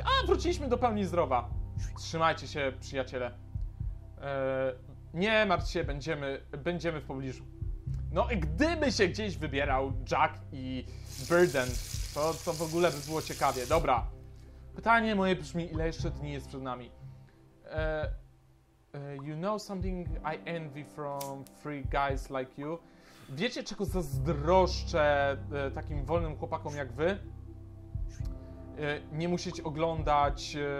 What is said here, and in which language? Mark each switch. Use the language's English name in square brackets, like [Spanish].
[Polish] A, wróciliśmy do pełni zdrowa. Trzymajcie się, przyjaciele. Nie martw się, będziemy w pobliżu. No i gdyby się gdzieś wybierał Jack i Burden, to w ogóle by było ciekawie. Dobra. Pytanie moje brzmi, ile jeszcze dni jest przed nami? [English] You know something I envy from free guys like you? [Polish] Wiecie, czego zazdroszczę takim wolnym chłopakom jak wy? Nie musieć oglądać...